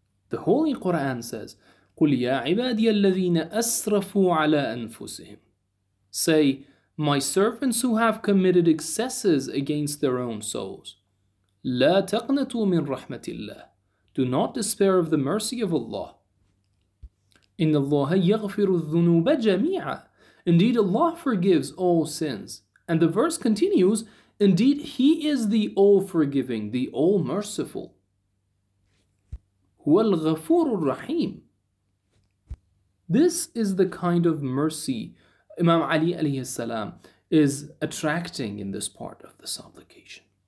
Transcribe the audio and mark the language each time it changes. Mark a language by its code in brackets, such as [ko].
[en] The Holy Quran says, [ar] قُلْ يَا عِبَادِيَ الَّذِينَ أَسْرَفُوا عَلَىٰ أَنفُسِهِمْ [en] Say, my servants who have committed excesses against their own souls, [ar] لا تقنطوا من رحمة الله. [en] Do not despair of the mercy of Allah. [ar] إن الله يغفر الذنوب جميعا. [en] Indeed, Allah forgives all sins. And the verse continues, Indeed, He is the all-forgiving, the all-merciful. [ar] هو الغفور الرحيم. [en] This is the kind of mercy Imam Ali alayhi salam is attracting in this part of the supplication.